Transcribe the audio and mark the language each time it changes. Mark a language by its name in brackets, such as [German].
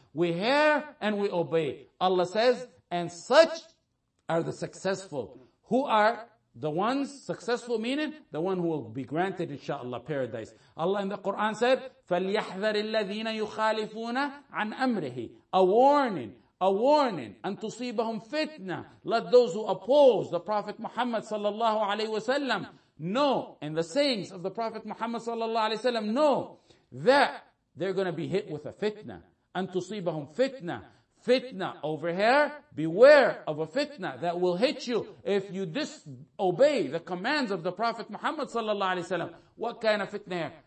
[English] We hear and we obey. Allah says, and such are the successful. Who are the ones successful, meaning the one who will be granted, inshallah, paradise. Allah in the Quran said, [Arabic] فَلْيَحْذَرِ الَّذِينَ يُخَالِفُونَ عَنْ أَمْرِهِ. [English] A warning, [Arabic] أَنْ تُصِيبَهُمْ فِتْنَةً. [English] Let those who oppose the Prophet Muhammad sallallahu alaihi wasallam know, and the sayings of the Prophet Muhammad sallallahu alaihi wasallam know, that they're going to be hit with a fitna. [Arabic] أَنْ تُصِيبَهُمْ فِتْنَةً. [English] Fitna over here, beware of a fitna that will hit you if you disobey the commands of the Prophet Muhammad sallallahu alaihi wasallam. What kind of fitna here?